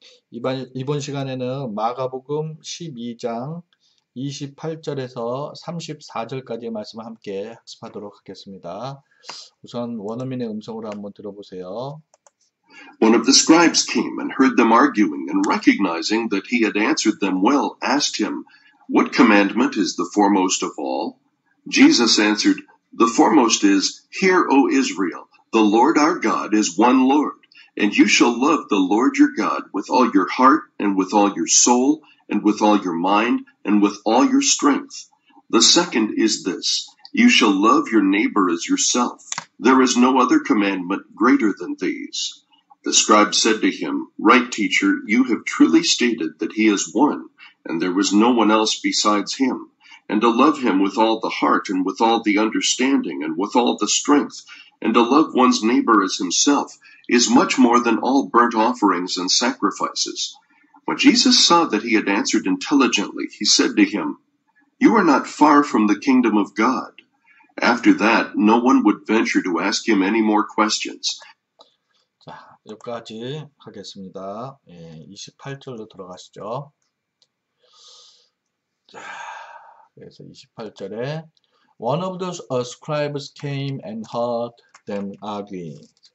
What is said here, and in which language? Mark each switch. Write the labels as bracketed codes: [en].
[ko] 이번 시간에는 마가복음 12장 28절에서 34절까지의 말씀을 함께 학습하도록 하겠습니다. 우선 원어민의 음성으로 한번 들어보세요. [en] One of the scribes came and heard them arguing, and recognizing that he had answered them well, asked him, "What commandment is the foremost of all?" Jesus answered, "The foremost is, 'Hear, O Israel, the Lord our God is one Lord. And you shall love the Lord your God with all your heart, and with all your soul, and with all your mind, and with all your strength. The second is this, you shall love your neighbor as yourself. There is no other commandment greater than these." The scribe said to him, "Right, teacher, you have truly stated that he is one, and there was no one else besides him. And to love him with all the heart, and with all the understanding, and with all the strength, and to love one's neighbor as himself, is much more than all burnt offerings and sacrifices." When Jesus saw that he had answered intelligently, he said to him, "You are not far from the kingdom of God." After that, no one would venture to ask him any more questions. [ko] 자, 여기까지 하겠습니다. 예, 28절로 들어가시죠. 자, 그래서 28절에 [en] One of the scribes came and heard them arguing.